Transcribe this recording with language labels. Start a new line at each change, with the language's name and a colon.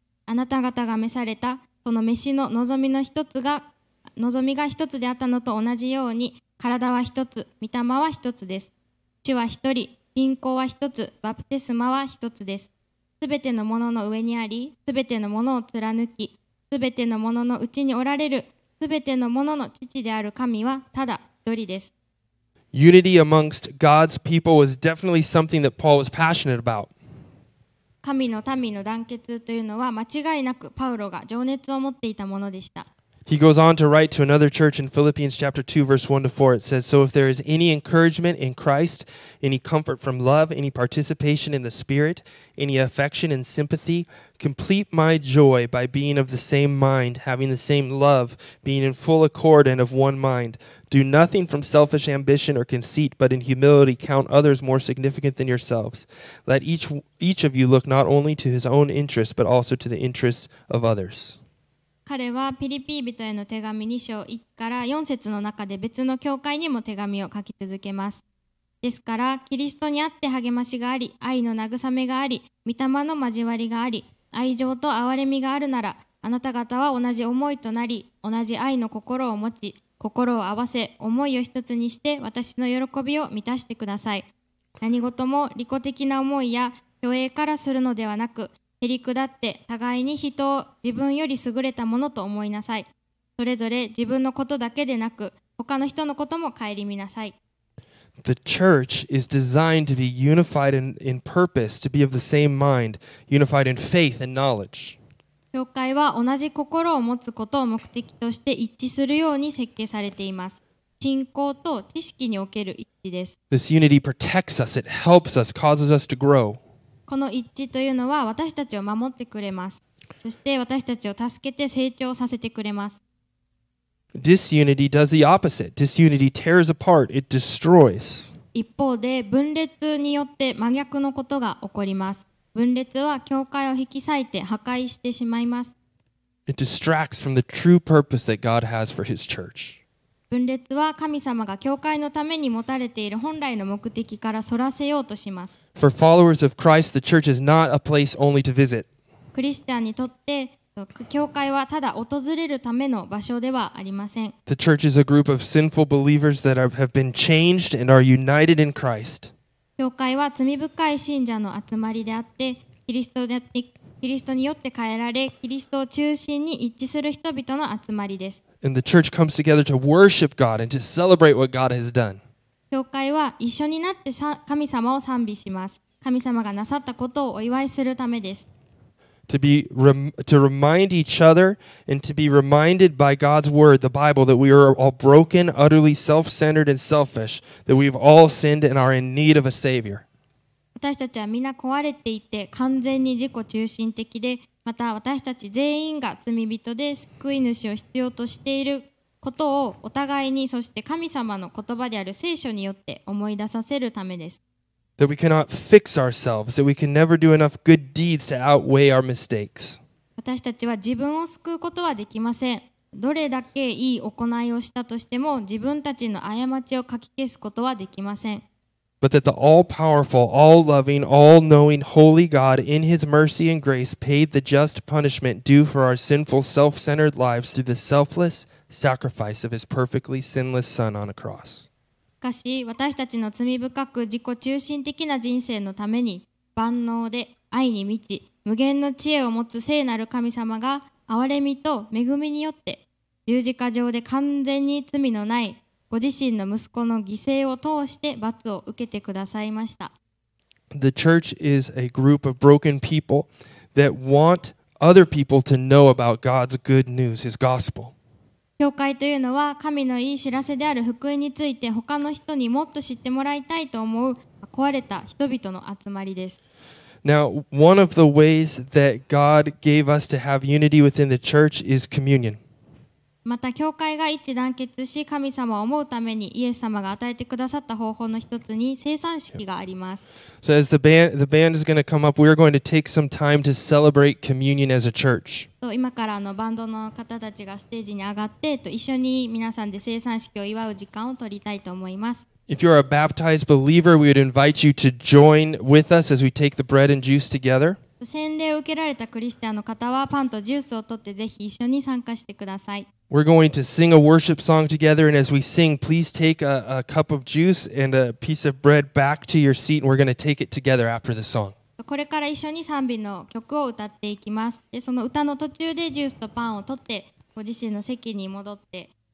Japanese: あなた方が召されたこの召しの望みが一つであったのと同じように、体は一つ、御霊は一つです。主は一人、信仰は一つ、バプテスマは一つです。すべてのものの上にあり、すべてのものを貫き、すべてのもののうちにおられる、すべてのものの父である神はただ一人です。
English: Unity amongst God's people was definitely something that Paul was passionate about.
Japanese: 神の民の団結というのは間違いなくパウロが情熱を持っていたものでした。
English: He goes on to write to another church in Philippians chapter 2 verse 1 to 4. It says, So if there is any encouragement in Christ, any comfort from love, any participation in the Spirit, any affection and sympathy, complete my joy by being of the same mind, having the same love, being in full accord and of one mind. Do nothing from selfish ambition or conceit, but in humility count others more significant than yourselves. Let each of you look not only to his own interests, but also to the interests of others.
Japanese: 彼はピリピ人への手紙2章1から4節の中で別の教会にも手紙を書き続けます。ですから、キリストにあって励ましがあり、愛の慰めがあり、御霊の交わりがあり、愛情と憐れみがあるなら、あなた方は同じ思いとなり、同じ愛の心を持ち、心を合わせ、思いを一つにして、私の喜びを満たしてください。何事も利己的な思いや、虚栄からするのではなく、へりくだって互いに人を自分より優れたものと思いなさい。それぞれ自分のことだけでなく、他の人のことも顧みなさい。
English: The church is designed to be unified in purpose, to be of the same mind, unified in faith and knowledge.
Japanese: 教会は同じ心を持つことを目的として一致するように設計されています。信仰と知識における一致です。
English: This unity protects us, it helps us, causes us to grow.
Japanese: この一致というのは私たちを守ってくれます。そして私たちを助けて成長させてくれます。
English: Disunity does the opposite. Disunity tears apart. It destroys.
Japanese: 一方で分裂によって真逆のことが起こります。分裂は教会を引き裂いて破壊してしまいます。
English: It distracts from the true purpose that God has for His church.
Japanese: 分裂は神様が教会のために持たれている本来の目的からそらせようとします。
English: For followers of Christ, the church is not a place only to visit.
Japanese: クリスチャンにとって、教会はただ訪れるための場所ではありません。
English: The church is a group of sinful believers that have been changed and are united in Christ.
Japanese: 教会は罪深い信者の集まりであって、キリストによって変えられ、キリストを中心に一致する人々の集まりです。
English: And the church comes together to worship God and to celebrate what God has done.
Japanese: 教会は一緒になって神様を賛美します。神様がなさったことをお祝いするためです。
English: To remind each other and to be reminded by God's word, the Bible, that we are all broken, utterly self-centered and selfish, that we've all sinned and are in need of a savior.
Japanese: 私たちはみんな壊れていて完全に自己中心的でまた私たち全員が罪人で救い主を必要としていることをお互いにそして神様の言葉である聖書によって思い出させるためです。
English: That we cannot fix ourselves, that we can never do enough good deeds to outweigh our mistakes.
Japanese: 私たちは自分を救うことはできません。どれだけいい行いをしたとしても自分たちの過ちをかき消すことはできません。
English: But that the all-powerful, all-loving, all-knowing, holy God, in His mercy and grace, paid the just punishment due for our sinful, self-centered lives through the selfless sacrifice of His perfectly sinless Son on a cross.
Japanese: しかし、私たちの罪深く自己中心的な人生のために、万能で愛に満ち、無限の知恵を持つ聖なる神様が、憐れみと恵みによって、十字架上で完全に罪のない、ご自身の息子の犠牲を通して罰を受けてくださいました。
English: The church is a group of broken people that want other people to know about God's good news, His gospel.
Japanese: 教会というのは神のいい知らせである福音について他の人にもっと知ってもらいたいと思う壊れた人々の集まりです。
English: Now, one of the ways that God gave us to have unity within the church is communion.
Japanese: また教会が一致団結し神様を思うためにイエス様が与えてくださった方法の一つに聖餐式があります。
English: So as the band is going to come up, we are going to take some time to celebrate communion as a church.
Japanese: 今からバンドの方たちがステージに上がって一緒に皆さんで聖餐式を祝う時間を取りたいと思います。
English: If you are a baptized believer, we would invite you to join with us as we take the bread and juice together.
Japanese: 洗礼を受けられたクリスチャンの方はパンとジュースを取ってぜひ一緒に参加してください。
English: We're going to sing a worship song together, and as we sing, please take a cup of juice and a piece of bread back to your seat, and we're going to take it together after the song.
Japanese: これから一緒に賛美の曲を歌っていきます。で、その歌の途中でジュースとパンを取って、ご自身の席に戻って、